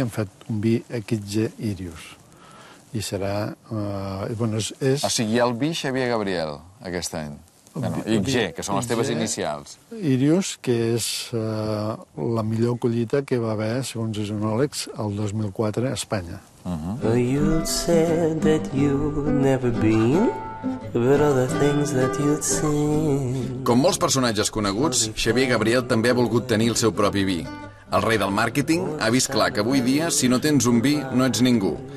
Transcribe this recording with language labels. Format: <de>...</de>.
<ca>Hem fet un vi Equitge Irius. I serà... bueno, és... O sigui, hi ha el vi Xavier Gabriel, aquest any. No, IG, que són les teves inicials. Irius, que és la millor collita que va haver, segons els enòlegs, el 2004 a Espanya. Uh-huh.</ca> <en>You said that you've never been, but all the things that you'd seen...</en> <ca>Com molts personatges coneguts, Xavier Gabriel també ha volgut tenir el seu propi vi. El rei del màrqueting ha vist clar que avui dia, si no tens un vi, no ets ningú.</ca>